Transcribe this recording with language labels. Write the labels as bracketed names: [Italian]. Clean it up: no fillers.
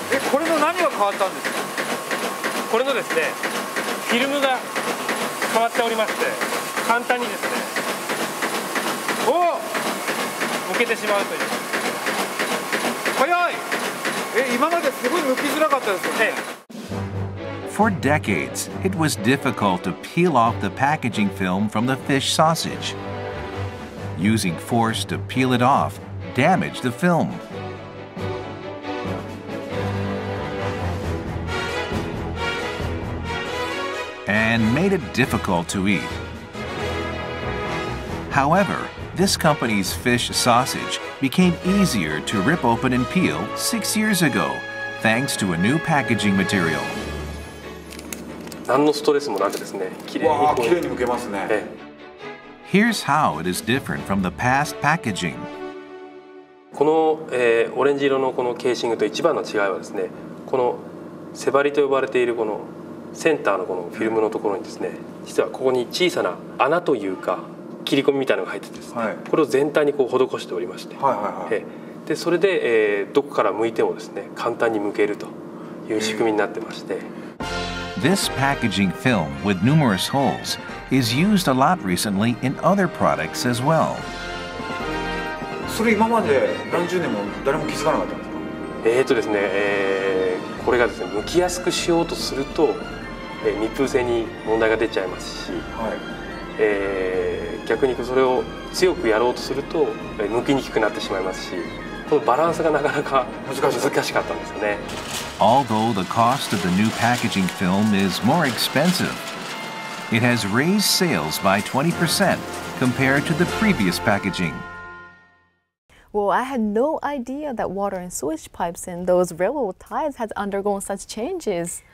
[Japanese] これの何が変わったんですか？これのですね、フィルムが変わっておりまして、簡単にですね、おお、むけてしまうという。早い。今まですごいむきづらかったですよね。 [English] For decades, it was difficult to peel off the packaging film from the fish sausage. Using force to peel it off damaged the film. And made it difficult to eat. However, this company's fish sausage became easier to rip open and peel 6 years ago, thanks to a new packaging material. [Japanese] 何のストレスもなくですね、きれいに。わあ、きれいに剥けますね。ええ、 [English] Here's how it is different from the past packaging. [Japanese] この、オレンジ色のこのケーシングと一番の違いはですね、このセバリと呼ばれているこのセンターのこのフィルムのところにですね、実はここに小さな穴というか切り込みみたいなのが入っててですね、はい、これを全体にこう施しておりまして、はいはいはい、でそれで、どこから剥いてもですね、簡単に剥けるという仕組みになってまして。 [English] This packaging film with numerous holes is used a lot recently in other products as well. [Japanese] それ今まで何十年も誰も気づかなかったんですか？ですね、これがですね、剥きやすくしようとすると、密封性に問題が出ちゃいますし、はい、逆にそれを強くやろうとすると、剥きにくくなってしまいますし、このバランスがなかなか難しかったんですよね。 [English] Although the cost of the new packaging film is more expensive, it has raised sales by 20% compared to the previous packaging. Well, I had no idea that water and sewage pipes in those railroad ties had undergone such changes.